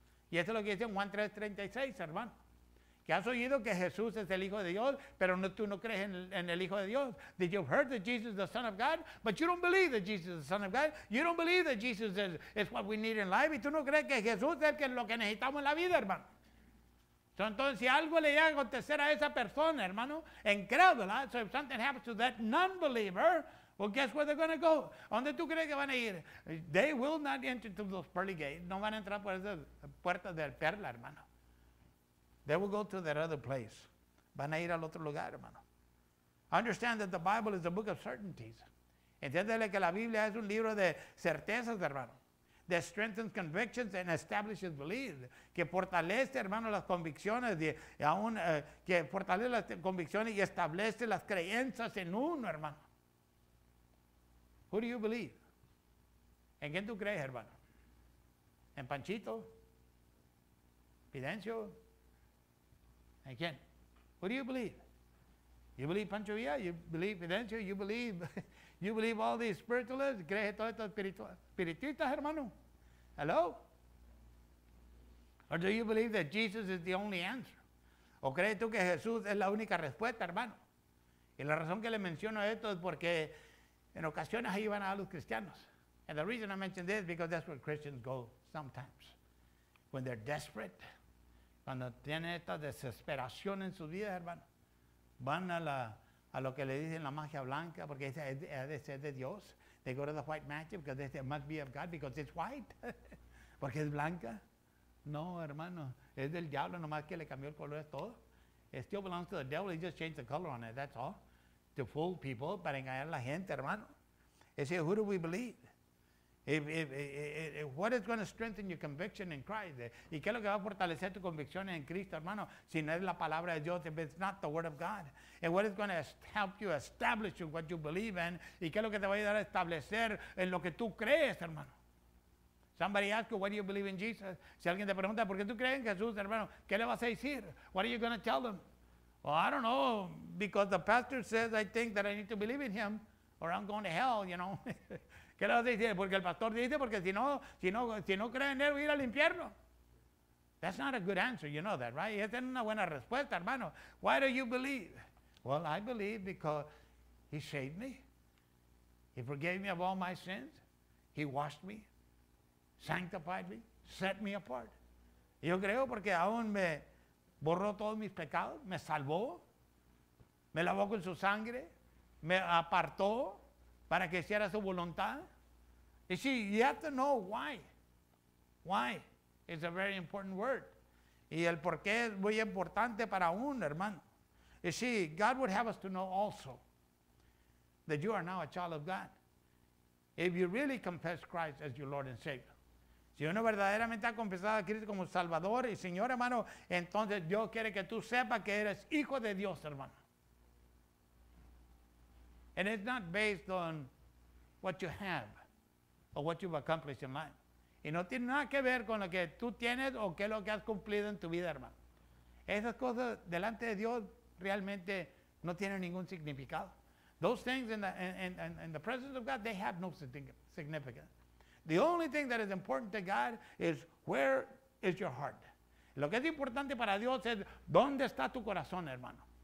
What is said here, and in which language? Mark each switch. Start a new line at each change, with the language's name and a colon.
Spanish: Y eso es lo que dice en Juan 3:36, hermano. Que has oído que Jesús es el Hijo de Dios, pero no, tú no crees en el Hijo de Dios.
English: That you've heard that Jesus is the Son of God, but you don't believe that Jesus is the Son of God. You don't believe that Jesus is what we need in life.
Spanish: Y tú no crees que Jesús es lo que necesitamos en la vida, hermano.
English: So,
Spanish: entonces, si algo le llega a acontecer a esa persona, hermano, incrédula,
English: so if something happens to that non-believer, well, guess where they're going to go?
Spanish: ¿Dónde tú crees que van a ir?
English: They will not enter through those pearly gates.
Spanish: No van a entrar por esas puertas de perla, hermano.
English: They will go to that other place.
Spanish: Van a ir al otro lugar, hermano.
English: Understand that the Bible is a book of certainties.
Spanish: Entiéndele que la Biblia es un libro de certezas, hermano.
English: That strengthens convictions and establishes belief.
Spanish: Que fortalece, hermano, las convicciones. Que fortalece las convicciones y establece las creencias en uno, hermano.
English: Who do you believe?
Spanish: ¿En quién tú crees, hermano? ¿En Panchito? ¿Fidencio? ¿En quién?
English: Who do you believe? You believe Pancho Villa? You believe Fidencio? You believe all these spiritualists?
Spanish: ¿Crees en todos estos espiritistas, hermano? Hello?
English: Or do you believe that Jesus is the only answer?
Spanish: ¿O crees tú que Jesús es la única respuesta, hermano? Y la razón que le menciono esto es porque en ocasiones ahí van a los cristianos.
English: And the reason I mention this is because that's where Christians go sometimes. When they're desperate.
Spanish: Cuando tienen esta desesperación en su vida, hermano, van a lo que le dicen la magia blanca, porque es de ser de Dios.
English: They go to the white magic because it must be of God because it's white.
Spanish: Porque es blanca. No, hermano, es del diablo, nomás que le cambió el color, es todo.
English: It still belongs to the devil, he just changed the color on it, that's all. To fool people,
Spanish: para engañar a la gente, hermano.
English: It's here, who do we believe? If what is going to strengthen your conviction in Christ?
Spanish: ¿Y qué es lo que va a fortalecer tu convicción en Cristo, hermano? Si no es la palabra de Dios,
English: if it's not the word of God. And what is going to help you establish what you believe in?
Spanish: ¿Y qué es lo que te va a ayudar a establecer en lo que tú crees, hermano?
English: Somebody asks you, what do you believe in Jesus?
Spanish: Si alguien te pregunta, ¿por qué tú crees en Jesús, hermano? ¿Qué le vas a decir?
English: What are you going to tell them? Well, I don't know, because the pastor says I think that I need to believe in him or I'm going to hell, you know.
Spanish: ¿Qué le vas a decir? Porque el pastor dice, porque si no creen en él, voy a ir al infierno.
English: That's not a good answer, you know that, right?
Spanish: Esa es una buena respuesta, hermano.
English: Why do you believe? Well, I believe because he saved me. He forgave me of all my sins. He washed me, sanctified me, set me apart.
Spanish: Yo creo porque aún me borró todos mis pecados, me salvó, me lavó con su sangre, me apartó para que hiciera su voluntad.
English: You see, you have to know why. Why is a very important word.
Spanish: Y el por qué es muy importante para un hermano.
English: You see, God would have us to know also that you are now a child of God. If you really confess Christ as your Lord and Savior.
Spanish: Si uno verdaderamente ha confesado a Cristo como Salvador y Señor, hermano, entonces Dios quiere que tú sepas que eres hijo de Dios, hermano.
English: And it's not based on what you have or what you've accomplished in life.
Spanish: Y no tiene nada que ver con lo que tú tienes o qué es lo que has cumplido en tu vida, hermano. Esas cosas delante de Dios realmente no tienen ningún significado.
English: Those things in the presence of God, they have no significance. The only thing that is important to God is where is your heart.
Spanish: Lo que es importante para Dios es dónde está tu corazón, hermano.